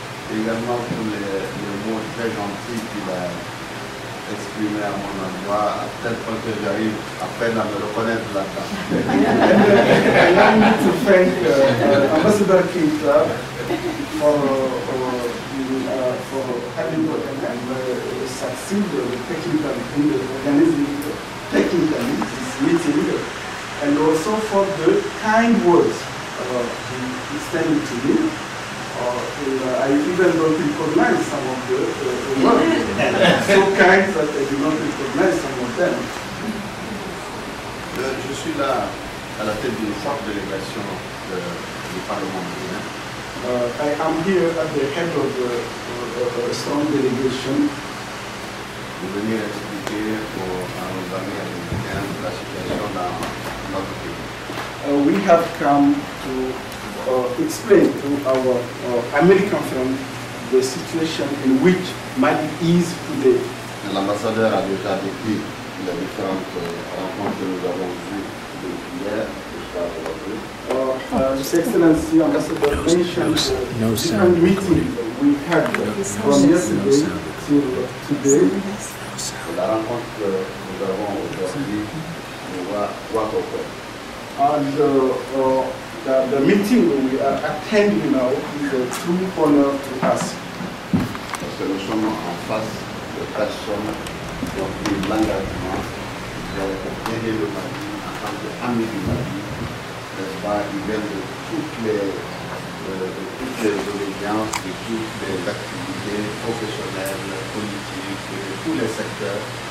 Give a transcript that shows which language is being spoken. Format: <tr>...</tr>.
<fr>Également pour les mots très gentils qu'il a exprimés à mon endroit, à tel point que j'arrive à peine à me reconnaître là-dedans.</fr> <en>I want to thank Ambassador Keita for having succeeded in organizing this meeting, and also for the kind words extended to me. I even don't recognize some of the words. So kind that I do not recognize some of them.</en> <fr>Je suis là à la tête d'une forte délégation du Parlement malien.</fr> <en>I am here at the head of a strong delegation.</en> <fr>Pour venir expliquer à nos amis américains la situation dans notre pays.</fr> <en>We have come to explain to our American friend the situation in which Mali is today.</en> <fr>L'ambassadeur a déjà décrit les différentes rencontres que nous avons vues depuis hier jusqu'à aujourd'hui.</fr> <en>His Excellency Ambassador mentioned the different meetings we had from yesterday to today.</en> <fr>La rencontre que nous avons aujourd'hui, nous voit pourquoi.</fr> <en>And the meeting we are attending now is a true honor to us.</en> <fr>Parce que nous sommes en face de personnes qui ont pris l'engagement d'aider le Mali en tant qu'amis du Mali. N'est-ce pas, ils viennent de toutes les obédiences, de toutes les activités professionnelles, politiques, de tous les secteurs.</fr>